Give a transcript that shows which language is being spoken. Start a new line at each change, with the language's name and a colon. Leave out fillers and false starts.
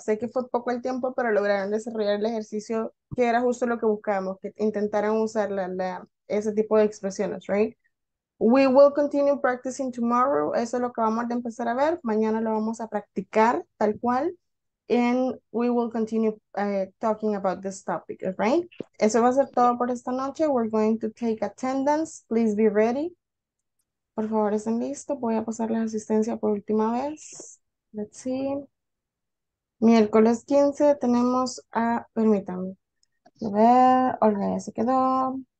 Spanish: Sé que fue poco el tiempo, pero lograron desarrollar el ejercicio que era justo lo que buscamos, que intentaran usar ese tipo de expresiones, right?
English: We will continue practicing tomorrow.
Spanish: Eso es lo que vamos a empezar a ver. Mañana lo vamos a practicar tal cual.
English: And we will continue talking about this topic, right?
Spanish: Eso va a ser todo por esta noche.
English: We're going to take attendance. Please be ready.
Spanish: Por favor, estén listos. Voy a pasar la asistencia por última vez.
English: Let's see.
Spanish: Miércoles 15 tenemos a... Permítanme. A ver, Olga ya se quedó.